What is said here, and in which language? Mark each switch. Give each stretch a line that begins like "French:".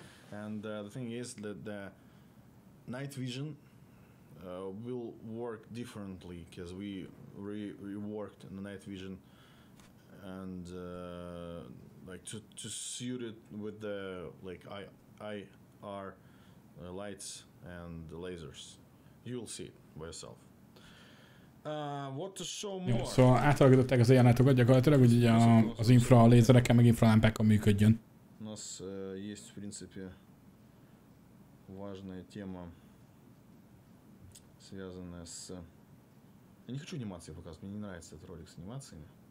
English: And the thing is that the night vision will work differently, because we reworked the night vision and like to suit it with the like IR lights and the lasers. You'll see it by yourself. What to show more?
Hungarian: Jó, szóval átalakították az ilyenátokat gyakorlatilag, hogy a, az infra lézerekkel meg infra lámpákkal működjön. Nos,
Russian: есть в принципе важная тема, связанная с... Я не хочу анимации показывать, мне не нравится этот ролик с анимациями.